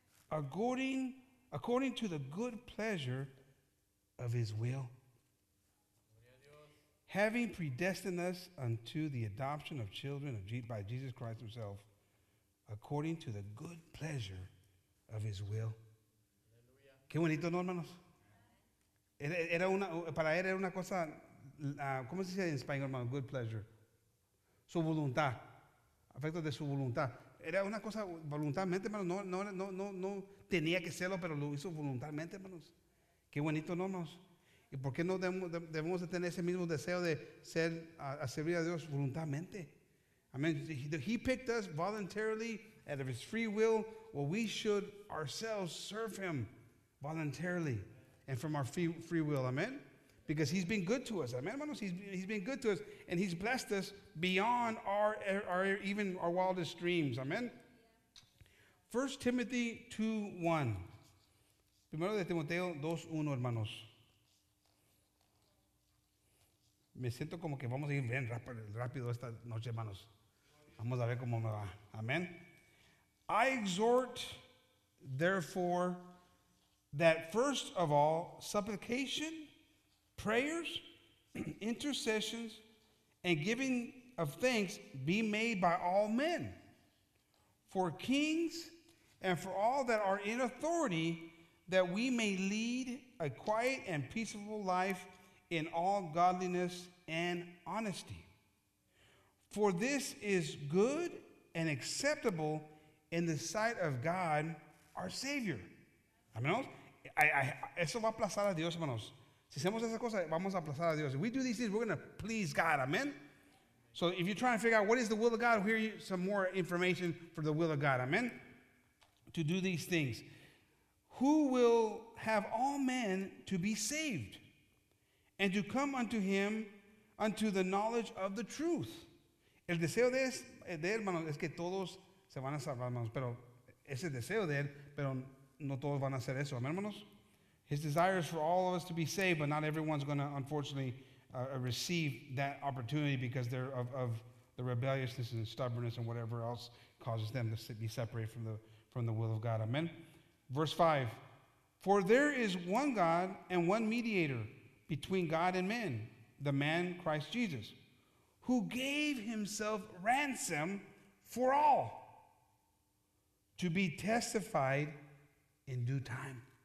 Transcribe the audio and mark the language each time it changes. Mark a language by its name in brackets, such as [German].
[English] According to the good pleasure of his will. Having predestined us unto the adoption of children by Jesus Christ himself, according to the good pleasure of his will. [Spanish] Qué bonito, ¿no, hermanos? Para él era una cosa, ¿cómo se dice en español, hermano? [English] Good pleasure. [Spanish] Su voluntad. Afecto de su voluntad. Era una cosa voluntariamente, hermano. No tenía que serlo, pero lo hizo voluntariamente, hermanos. Qué bonito, ¿no, hermanos? ¿Y por qué no debemos de tener ese mismo deseo de ser a servir a Dios voluntariamente? [English] Amen. He picked us voluntarily out of his free will. Well, we should ourselves serve him voluntarily and from our free will. Amen. Because he's been good to us. Amen, hermanos? He's been good to us, and he's blessed us beyond our even our wildest dreams. Amen? 1 Timothy 2:1. [Spanish] Primero de Timoteo 2:1, hermanos. Me siento como que vamos a ir bien rápido esta noche, hermanos. Vamos a ver cómo me va. Amen. [English] I exhort, therefore, that first of all, supplication, prayers, intercessions, and giving of thanks be made by all men, for kings and for all that are in authority, that we may lead a quiet and peaceful life in all godliness and honesty. For this is good and acceptable in the sight of God, our Savior. [Spanish] Amen. Eso va a aplazar a Dios, hermanos. Si hacemos esa cosa, vamos a aplazar a Dios. [English] If we do these things, we're going to please God. [Spanish] Amen. [English] So if you're trying to figure out what is the will of God, here you some more information for the will of God. Amen. To do these things. Who will have all men to be saved and to come unto him, unto the knowledge of the truth. [Spanish] El deseo de hermano es que todos se van a salvar, hermanos. Pero ese deseo de él, pero no todos van a hacer eso. Amén, hermanos. [English] His desire is for all of us to be saved, but not everyone's going to, unfortunately, receive that opportunity because they're of the rebelliousness and stubbornness and whatever else causes them to be separated from the will of God. Amen. Verse 5, for there is one God and one mediator between God and men, the man Christ Jesus, who gave himself ransom for all to be testified in due time.